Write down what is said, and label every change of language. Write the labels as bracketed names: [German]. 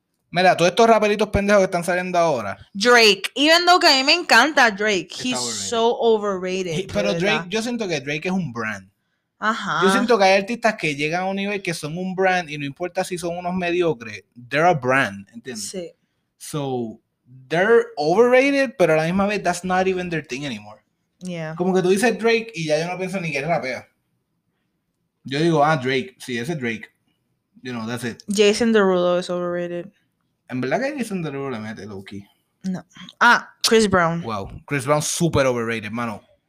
[Spanish] Mira, todos estos raperitos pendejos que están saliendo ahora. [English] Drake. Even though [Spanish] que a mí me encanta [English] Drake, he's so overrated. [Spanish] Pero Drake, yo siento que Drake es un brand. Ajá. Yo siento que hay artistas que llegan a un nivel que son un brand y no importa si son unos mediocres, [English] they're a brand, [Spanish] ¿entiendes? Sí. [English] So, they're overrated, [Spanish] pero a la misma vez, [English] that's not even their thing anymore. Yeah. [Spanish] Como que tú dices Drake y ya yo no pienso ni que es rapea. Yo digo, Drake, sí, ese es Drake. [English] You know, that's it. Jason Derulo is overrated. [Spanish] En verdad que Jason Derulo le mete low-key. No. Chris Brown. [English] Wow, Chris Brown super overrated, mano.